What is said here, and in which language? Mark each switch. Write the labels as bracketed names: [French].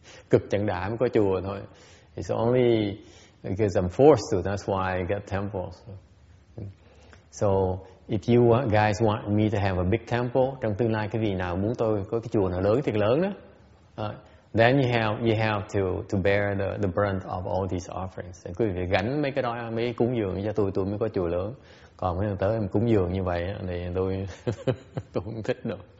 [Vietnamese] Cực chẳng đã mới có chùa thôi. [English] It's only because I'm forced to. That's why I get temples. So if you guys want me to have a big temple, [Vietnamese] trong tương lai cái vị nào muốn tôi có cái chùa nào lớn thì lớn đó. [English] Then you have to bear the brunt of all these offerings. [Vietnamese] Quý vị phải gánh mấy cái đó, mấy cái cúng dường cho tôi mới có chùa lớn. Còn mấy người tới em cúng dường như vậy thì tôi tôi không thích đâu.